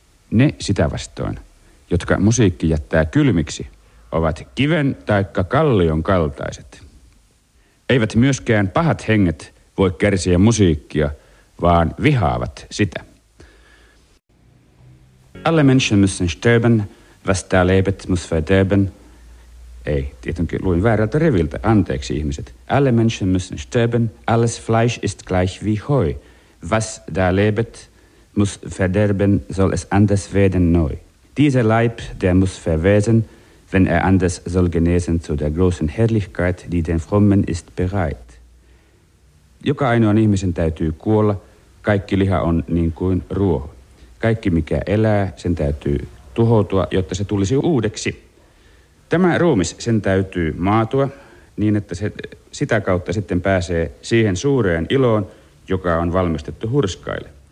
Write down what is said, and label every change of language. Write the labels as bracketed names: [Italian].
[Finnish] Ne sitä vastoin, jotka musiikki jättää kylmiksi, ovat kiven taikka kallion kaltaiset. Eivät myöskään pahat henget voi kärsiä musiikkia, vaan vihaavat sitä. [German] Alle Menschen müssen sterben, was da lebet muss verderben. [Finnish] Ei, tietenkin luin väärältä riviltä. Anteeksi, ihmiset. [German] Alle Menschen müssen sterben, alles Fleisch ist gleich wie Heu. Was da lebet, muss verderben, soll es anders werden neu. Dieser Leib, der muss verwesen, wenn er anders soll genesen zu der großen Herrlichkeit, die den Frommen ist bereit. [Finnish] Joka ainoan ihmisen täytyy kuolla, kaikki liha on niin kuin ruoho. Kaikki mikä elää, sen täytyy tuhoutua, jotta se tulisi uudeksi. Tämä ruumis, sen täytyy maatua niin, että se sitä kautta sitten pääsee siihen suureen iloon, joka on valmistettu hurskaille.